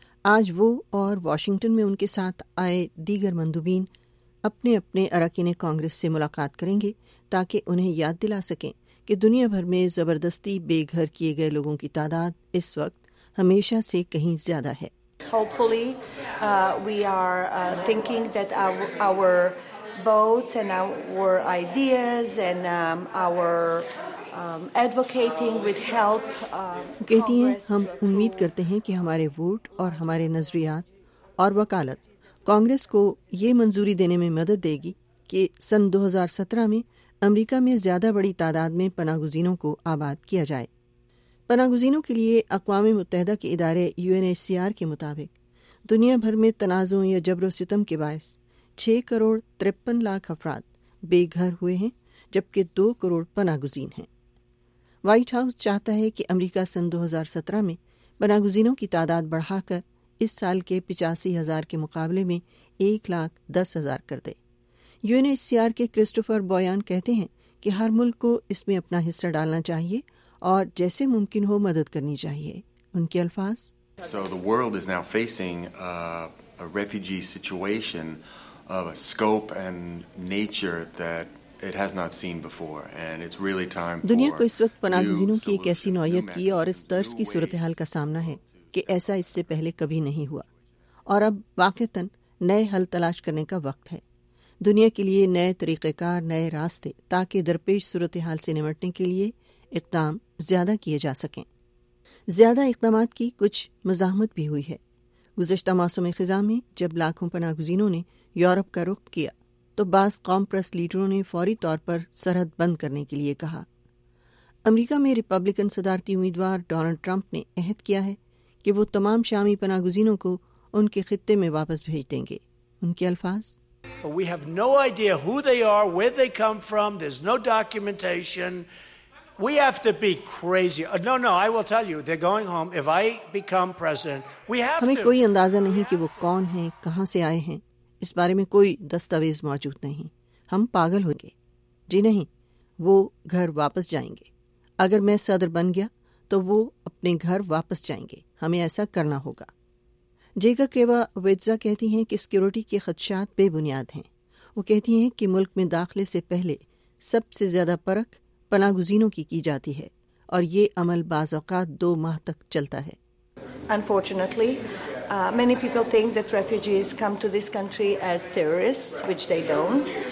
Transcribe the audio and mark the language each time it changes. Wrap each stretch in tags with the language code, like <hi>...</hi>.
<ur>آج وہ اور واشنگٹن میں ان کے ساتھ آئے دیگر مندوبین اپنے اپنے اراکین کانگریس سے ملاقات کریں گے تاکہ انہیں یاد دلا سکیں کہ دنیا بھر میں زبردستی بے گھر کیے گئے لوگوں کی تعداد اس وقت ہمیشہ سے کہیں زیادہ ہے.</ur> <en>Hopefully, we are thinking that our votes and our ideas and our advocating with help.</en> <ur>کہتی ہیں ہم امید کرتے ہیں کہ ہمارے ووٹ اور ہمارے نظریات اور وکالت کانگریس کو یہ منظوری دینے میں مدد دے گی کہ 2017 میں امریکہ میں زیادہ بڑی تعداد میں پناہ گزینوں کو آباد کیا جائے. پناہ گزینوں کے لیے اقوام متحدہ کے ادارے you N H C R کے مطابق دنیا بھر میں تنازعوں یا جبر و ستم کے باعث 6,53,00,000 افراد بے گھر ہوئے ہیں جبکہ 2,00,00,000 پناہ گزین ہیں. وائٹ ہاؤس چاہتا ہے کہ امریکہ 2017 میں پناہ گزینوں کی تعداد بڑھا کر اس سال کے 85,000 کے مقابلے میں 1,10,000 کر دے. You N H C R کے کرسٹوفر بویان کہتے ہیں کہ ہر ملک کو اس میں اپنا حصہ ڈالنا چاہیے اور جیسے ممکن ہو مدد کرنی چاہیے. ان کے الفاظ،</ur> <en>So the world is now facing a refugee situation of a scope and nature that it has not seen before and it's really time for</en> <ur>دنیا کو اس وقت پناہ گزینوں کی ایک ایسی نوعیت کی اور اس طرز کی صورتحال کا سامنا ہے کہ ایسا اس سے پہلے کبھی نہیں ہوا اور اب واقعتاً نئے حل تلاش کرنے کا وقت ہے. دنیا کے لیے نئے طریقہ کار، نئے راستے تاکہ درپیش صورتحال سے نمٹنے کے لیے اقدام زیادہ کیے جا سکیں. زیادہ اقدامات کی کچھ مزاحمت بھی ہوئی ہے. گزشتہ موسم خزاں میں جب لاکھوں پناہ گزینوں نے یورپ کا رخ کیا تو بعض قوم پرست لیڈروں نے فوری طور پر سرحد بند کرنے کے لیے کہا. امریکہ میں ریپبلکن صدارتی امیدوار ڈونلڈ ٹرمپ نے عہد کیا ہے کہ وہ تمام شامی پناہ گزینوں کو ان کے خطے میں واپس بھیج دیں گے. ان کے الفاظ،</ur> <en>We have no idea who they are, where they come from. There's no documentation. We have to be crazy. No, I will tell you, they're going home. If I become president, we have</en> <ur>ہمیں کوئی اندازہ نہیں کہ وہ کون ہیں، کہاں سے آئے ہیں. اس بارے میں کوئی دستاویز موجود نہیں. ہم پاگل ہوں گے. جی نہیں، وہ گھر واپس جائیں گے. اگر میں صدر بن گیا تو وہ اپنے گھر واپس جائیں گے. ہمیں ایسا کرنا ہوگا. جیکا کریوا ویتزا کہتی ہیں کہ سیکیورٹی کے خدشات بے بنیاد ہیں. وہ کہتی ہیں کہ ملک میں داخلے سے پہلے سب سے زیادہ پرکھ پناہ گزینوں کی جاتی ہے اور یہ عمل بعض اوقات 2 ماہ تک چلتا ہے.</ur> <en>Unfortunately, many people think that refugees come to this country as terrorists, which they don't.</en>